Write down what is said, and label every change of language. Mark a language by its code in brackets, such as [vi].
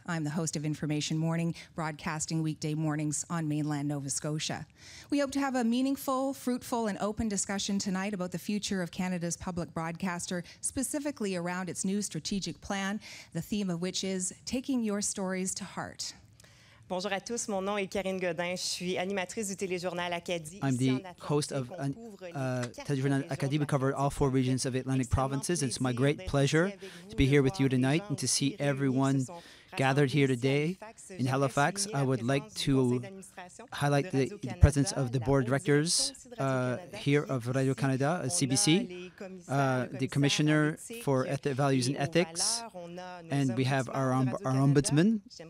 [en] I'm the host of Information Morning, broadcasting weekday mornings on mainland Nova Scotia. We hope to have a meaningful, fruitful, and open discussion tonight about the future of Canada's public broadcaster, specifically around its new strategic plan, the theme of which is Taking Your Stories to Heart. [fr] Bonjour à tous, mon nom est Karine Godin, je suis animatrice du téléjournal Acadie. [en] I'm the host of a téléjournal Acadie. We cover all four regions of Atlantic provinces. It's my great pleasure to be here with you tonight and to see everyone gathered here today in Halifax. I would like to highlight the presence of the board of directors here of Radio Canada, CBC, the commissioner for values and ethics, and we have our ombudsman.